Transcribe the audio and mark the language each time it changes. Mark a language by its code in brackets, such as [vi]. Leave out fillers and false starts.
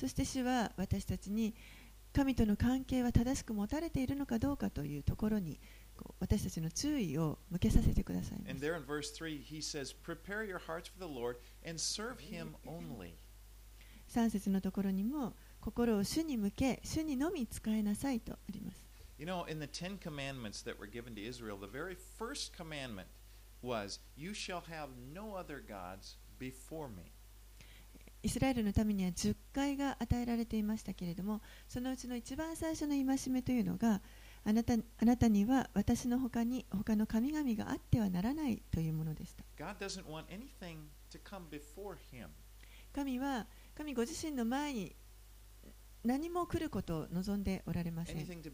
[ja] そして主は私たちに神との関係は正しく持たれているのかどうかというところに私たちの注意を向けさせてくださいます。 [en] And there in verse 3, he says, prepare your hearts for the Lord and serve him only. [ja] 3節のところにも心を主に向け、主にのみ使いなさいとあります。 [en] You know, in the Ten Commandments that were given to Israel, the very first commandment was, "You shall have no other gods before me." [ja] イスラエルの民には十戒が与えられていましたけれども、そのうちの一番最初の戒めというのが、あなたには私の他の神々があってはならないというものでした。 [en] God doesn't want anything to come before Him. [ja] 神ご自身の前に何も来ることを望んでおられません。